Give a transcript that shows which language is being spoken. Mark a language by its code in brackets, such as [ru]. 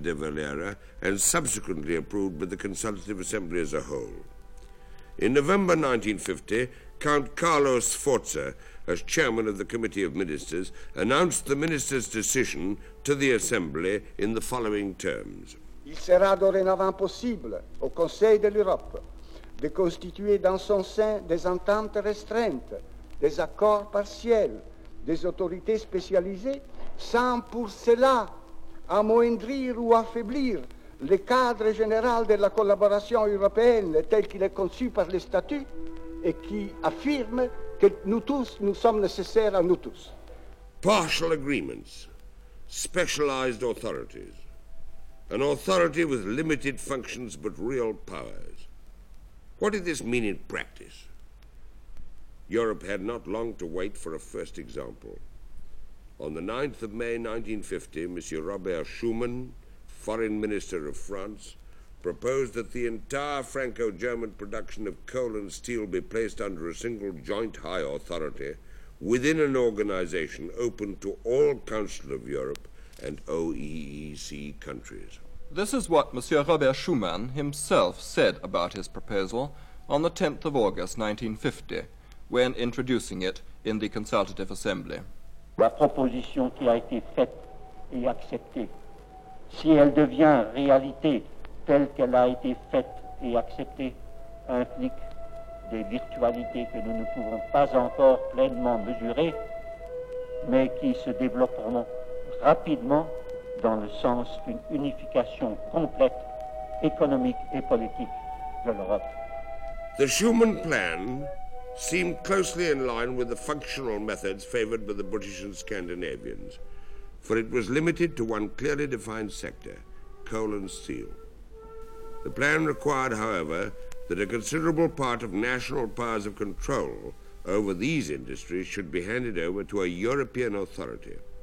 [en] de Valera and subsequently approved by the Consultative Assembly as a whole. In November 1950, Count Carlo Sforza, as chairman of the Committee of Ministers, announced the ministers' decision to the Assembly in the following terms. [fr] "Il sera dorénavant possible au Conseil de l'Europe de constituer dans son sein des ententes restreintes, des accords partiels, des autorités spécialisées, sans pour cela amoindrir ou affaiblir le cadre général de la collaboration européenne tel qu'il est conçu par les statuts et qui affirme que nous tous nous sommes nécessaires à nous tous." [en] Partial agreements, specialized authorities, an authority with limited functions but real powers. What did this mean in practice? Europe had not long to wait for a first example. On the 9th of May 1950, Monsieur Robert Schuman, Foreign Minister of France, proposed that the entire Franco-German production of coal and steel be placed under a single joint high authority within an organization open to all Council of Europe and OEEC countries. This is what Monsieur Robert Schuman himself said about his proposal on the 10th of August 1950, when introducing it in the Consultative Assembly. [fr] "La proposition qui a été faite et acceptée, si elle devient réalité telle qu'elle a été faite et acceptée, implique des virtualités que nous ne pouvons pas encore pleinement mesurer, mais qui se développeront rapidement dans le sens d'une unification complète économique et politique de l'Europe." [en] The Schuman plan seemed closely in line with the functional methods favored by the British and Scandinavians, for it was limited to one clearly defined sector, coal and steel. The plan required, however, that a considerable part of national powers of control over these industries should be handed over to a European authority.